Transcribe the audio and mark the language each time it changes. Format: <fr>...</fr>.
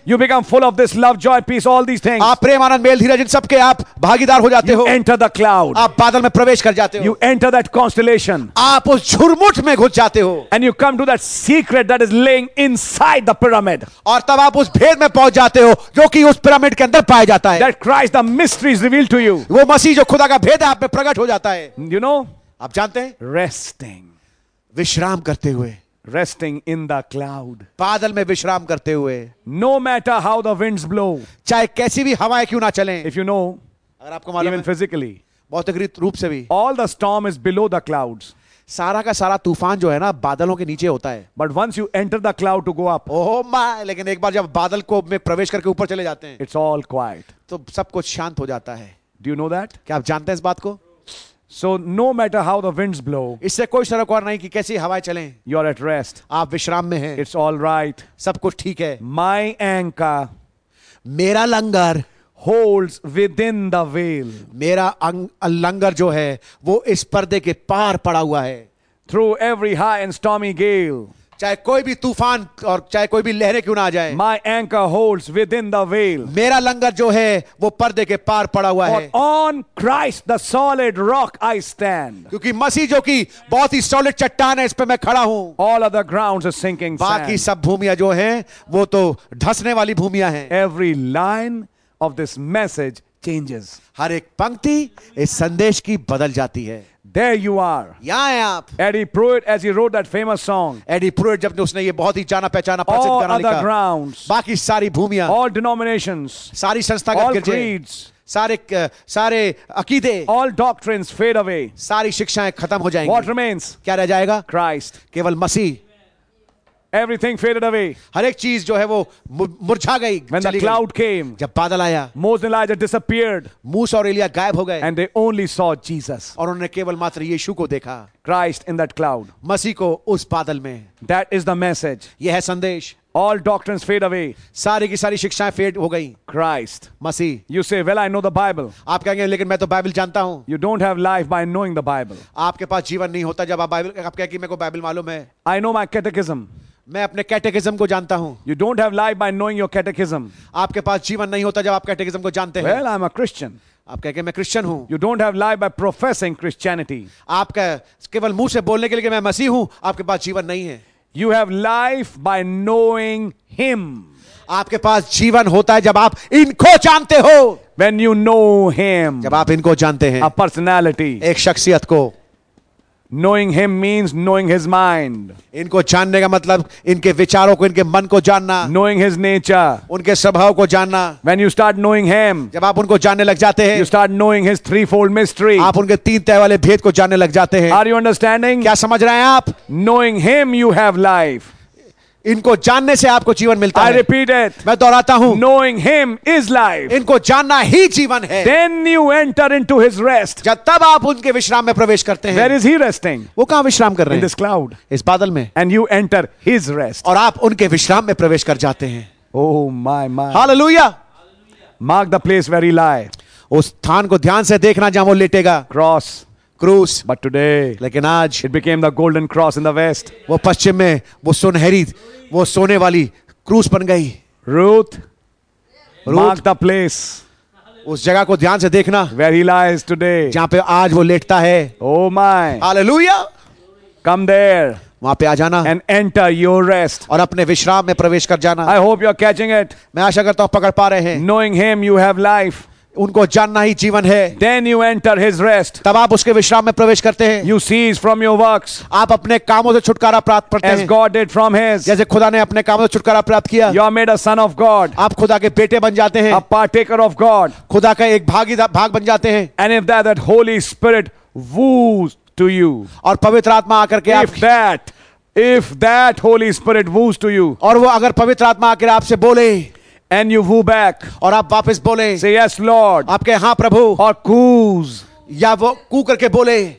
<en>You become full of this love, joy, peace, all these things.</en> <hi>आप प्रेम आनंद mail धीरज इन सब के आप भागीदार हो जाते हो.</hi> <en>You enter the cloud.</en> <hi>आप बादल में प्रवेश कर जाते हो.</hi> <en>You enter that constellation.</en> <hi>आप उस झुरमुट में घुस जाते हो.</hi> <en>And you come to that secret that is laying inside the pyramid.</en> <hi>और तब आप उस भेद में पहुंच जाते हो जो कि उस पिरामिड के अंदर पाया जाता है.</hi> <en>That Christ, the mystery is revealed to you.</en> <hi>वो मसीह जो खुदा का भेद है आप में प्रकट हो जाता है.</hi> <en>You know,</en> <hi>आप जानते हैं,</hi> <en>resting,</en> <hi>विश्राम करते हुए,</hi> <en>resting in the cloud,</en> <hi>बादल में विश्राम करते हुए,</hi> <en>no matter how the winds blow,</en> <hi>चाहे कैसी भी हवाएं क्यों ना चलें,</hi> <en>if you know,</en> <hi>अगर आपको मालूम है,</hi> <en>even physically,</en> <hi>भौतिक रूप से भी,</hi> <en>all the storm is below the clouds.</en> <hi>सारा का सारा तूफान जो है ना बादलों के नीचे होता है.</hi> <en>but once you enter the cloud to go up, oh my,</en> <hi>लेकिन एक बार जब बादल को में प्रवेश करके ऊपर चले जाते हैं,</hi> <en>it's all quiet,</en> <hi>तो सब कुछ शांत हो जाता है.</hi> <en>Do you know that?</en> <hi>क्या आप जानते हैं इस बात को?</hi> <en>So no matter how the winds blow,</en> <hi>इससे कोई सरोकार नहीं कि कैसी हवाएं चलें.</hi> <en>You are at rest.</en> <hi>आप विश्राम में हैं.</hi> <en>It's all right.</en> <hi>सब कुछ ठीक है.</hi> <en>My anchor,</en> <hi>मेरा लंगर,</hi> <en>holds within the veil.</en> <hi>मेरा लंगर जो है, वो इस पर्दे के पार पड़ा हुआ है.</hi> <en>Through every high and stormy gale.</en> <hi>चाहे कोई भी तूफान और चाहे कोई भी लहरें क्यों ना आ जाए.</hi> <en>My anchor holds within the veil.</en> <hi>मेरा लंगर जो है वो पर्दे के पार पड़ा हुआ है.</hi> <en>On Christ the solid rock I stand.</en> <hi>क्योंकि मसीह जो कि बहुत ही सॉलिड चट्टान है, इस पे मैं खड़ा हूं.</hi> <en>All other grounds are sinking sand.</en> <hi>बाकी सब भूमियां जो हैं वो तो धसने वाली भूमियां हैं.</hi> <en>Every line of this message changes.</en> <hi>हर एक पंक्ति इस संदेश की बदल जाती है.</hi> <en>There you are.</en> <hi>यहाँ हैं आप.</hi> <en>Eddie Pruitt, as he wrote that famous song.</en> <hi>Eddie Pruitt, जब उसने ये बहुत ही जाना पहचाना प्रसिद्ध गाना लिखा.</hi> <en>All other grounds.</en> <hi>बाकी सारी भूमियाँ.</hi> <en>All denominations.</en> <hi>सारी संस्थागत गिरजे.</hi> <en>All creeds.</en> <hi>सारे अकीदे.</hi> <en>All doctrines fade away.</en> <hi>सारी शिक्षाएं खत्म हो जाएंगी.</hi> <en>What remains?</en> <hi>क्या रह जाएगा?</hi> <en>Christ.</en> <hi>केवल मसीह.</hi> <en>Everything faded away.</en> <hi>हर एक चीज जो है वो मुरझा गई.</hi> <en>When the cloud came.</en> <hi>जब बादल आया.</hi> <en>Moses and Elijah disappeared.</en> <hi>मूसा और एलिया गायब हो गए.</hi> <en>And they only saw Jesus.</en> <hi>और उन्होंने केवल मात्र यीशु को देखा.</hi> <en>Christ in that cloud.</en> <hi>मसीह को उस बादल में.</hi> <en>That is the message.</en> <hi>ये है संदेश.</hi> <en>All doctrines fade away.</en> <hi>सारी की सारी शिक्षाएं फेड हो गई.</hi> <en>Christ.</en> <hi>Masih.</hi> <en>You say, well, I know the Bible.</en> <hi>आप कहेंगे लेकिन मैं तो बाइबल जानता हूं.</hi> <en>You don't have life by knowing the Bible.</en> <hi>आपके पास जीवन नहीं होता जब आप बाइबल, आप कहेंगे मेरे को बाइबल मालूम है.</hi> <en>I know my catechism.</en> <hi>मैं अपने कैटेकिज्म को जानता हूं.</hi> <en>You don't have life by knowing your catechism.</en> <hi>आपके पास जीवन नहीं होता जब आप कैटेकिज्म को जानते हैं.</hi> <en>Well, I'm a Christian.</en> <hi>आप कह के मैं क्रिश्चियन हूं.</hi> <en>You don't have life by professing Christianity.</en> <hi>आपका केवल मुंह से बोलने के लिए कि मैं मसीह हूं, आपके पास जीवन नहीं है.</hi> <en>You have life by knowing him.</en> <hi>आपके पास जीवन होता है जब आप इनको जानते हो.</hi> <en>When you know him.</en> <hi>जब आप इनको जानते हैं.</hi> <en>A personality.</en> <hi>एक शख्सियत को.</hi> <en>Knowing him means knowing his mind.</en> <hi>इनको जानने का मतलब इनके विचारों को, इनके मन को जानना.</hi> <en>Knowing his nature.</en> <hi>उनके स्वभाव को जानना.</hi> <en>When you start knowing him.</en> <hi>जब आप उनको जानने लग जाते हैं.</hi> <en>You start knowing his threefold mystery.</en> <hi>आप उनके तीन तह वाले भेद को जानने लग जाते हैं.</hi> <en>Are you understanding?</en> <hi>क्या समझ रहे हैं आप?</hi> <en>Knowing him you have life.</en> <hi>इनको जानने से आपको जीवन मिलता है.</hi> <en>I repeat it.</en> <hi>मैं दोहराता हूँ.</hi> <en>Knowing him is life.</en> <hi>इनको जानना ही जीवन है.</hi> <en>Then you enter into his rest.</en> <hi>जब तब आप उनके विश्राम में प्रवेश करते हैं.</hi> <en>Where is he resting?</en> <hi>वो कहाँ विश्राम कर रहे हैं?</hi> <en>In this cloud.</en> <hi>इस बादल में.</hi> <en>And you enter his rest.</en> <hi>और आप उनके विश्राम में प्रवेश कर जाते हैं.</hi> <en>Oh my my. Hallelujah. Mark the place where he lie.</en> <hi>उस स्थान को ध्यान से देखना जहाँ वो लेटेगा.</hi> <en>Cross.</en> <hi>क्रूस.</hi> <en>But today,</en> <hi>लेकिन आज,</hi> <en>it became the golden cross in the west.</en> <hi>वो पश्चिम में वो सुनहरी, वो सोने वाली क्रूस बन गई.</hi> <en>Ruth, mark the place.</en> <hi>उस जगह को ध्यान से देखना.</hi> <en>Where he lies today.</en> <hi>जहाँ पे आज वो लेटता है.</hi> <en>Oh my. Hallelujah. Come there.</en> <hi>वहां पे आ जाना.</hi> <en>And enter your rest.</en> <hi>और अपने विश्राम में प्रवेश कर जाना.</hi> <en>I hope you're catching it.</en> <hi>मैं आशा करता हूँ पकड़ पा रहे हैं.</hi> <en>Knowing him, you have life.</en> <hi>उनको जानना ही जीवन है.</hi> <en>Then you enter his rest.</en> <hi>तब आप उसके विश्राम में प्रवेश करते हैं.</hi> <en>You cease from your works.</en> <hi>आप अपने कामों से छुटकारा प्राप्त करते हैं.</hi> <en>As God did from his.</en> <hi>जैसे खुदा ने अपने कामों से छुटकारा प्राप्त किया.</hi> <en>You are made a son of God.</en> <hi>आप खुदा के बेटे बन जाते हैं.</hi> <en>A partaker of God.</en> <hi>खुदा का एक भाग बन जाते हैं.</hi> <en>And if that Holy Spirit woos to you.</en> <hi>और पवित्र आत्मा आकर के</hi> <en>if that Holy Spirit woos to you.</en> <hi>और वो अगर पवित्र आत्मा आकर आपसे बोले.</hi> <en>And you woo back.</en> <hi>और आप वापस बोले.</hi> <en>Say yes, Lord.</en> <hi>आपके हाँ प्रभु. और coos. या वो coo करके बोले.</hi>